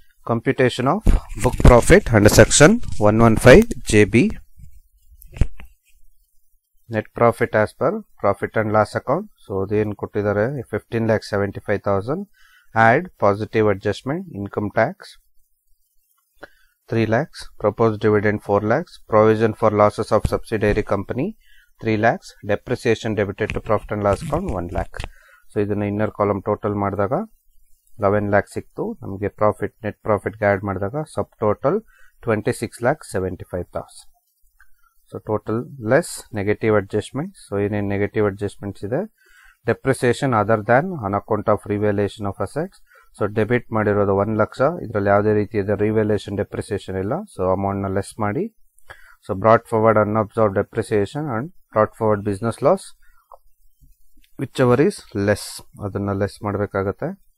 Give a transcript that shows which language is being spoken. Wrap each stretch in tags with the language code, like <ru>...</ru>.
<en>Computation of book profit and section 115JB net profit as per profit and loss account. So</en> <kn>ಅದೇನು ಕೊಟ್ಟಿದ್ದಾರೆ</kn> <en>15,75,000 add positive adjustment income tax 3 lakhs, proposed dividend 4 lakhs, provision for losses of subsidiary company 3 lakhs, depreciation debited to profit and loss account 1 lakh. So, this is the inner column total</en> <kn>maadadaga</kn> <en>11 lakhs</en> <kn>ikthu, namge</kn> <en>profit, net profit add maadadaga subtotal 26,75,000. So, total less negative adjustments. So, in negative adjustments</en> <kn>ide,</kn> <en>depreciation other than on account of revaluation of assets.</en> <kn>So debit ಮಾಡಿರೋದು 1 lakh, ಇದರಲ್ಲಿ ಯಾವುದೇ ರೀತಿಯಾದ revaluation depreciation ಇಲ್ಲ.</kn> <en>so ಅಮೌಂಟ್ನ less</en> <kn>ಮಾಡಿ,</kn> <en>so brought forward unabsorbed depreciation and brought forward business loss whichever is less,</en> <kn>ಅದನ್ನು less ಮಾಡಬೇಕಾಗತ್ತೆ.</kn>